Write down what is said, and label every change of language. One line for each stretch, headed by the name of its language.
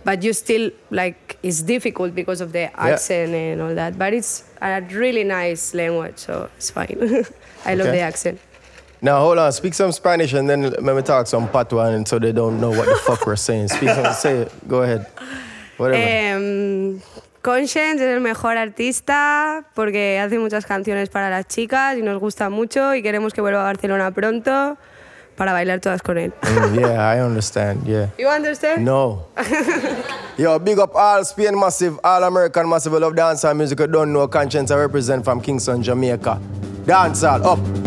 English: But you still, like, it's difficult because of the accent and all that. But it's a really nice language, so it's fine. I love the accent. Now, hold on, speak some Spanish and then let me talk some patois and so they don't know what the fuck we're saying. Speak some, say it, go ahead. Whatever.
Spanish: Konshens es el mejor artista porque hace muchas canciones para las chicas y nos gusta mucho y queremos que vuelva a Barcelona pronto para bailar todas con él.
English: Yeah, I understand, yeah. You understand? No. Yo, big up all Spain Massive, all American Massive, love dance and music. I don't know Konshens, I represent from Kingston, Jamaica. Dance all up.